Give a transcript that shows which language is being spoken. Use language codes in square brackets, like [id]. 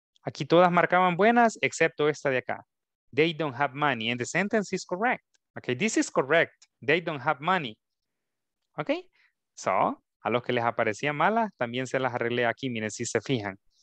[es] Aquí todas marcaban buenas, excepto esta de acá. [en] They don't have money, and the sentence is correct. Okay, this is correct. They don't have money. [es] Okay, so, a los que les aparecía mala, también se las arreglé aquí, miren, si se fijan.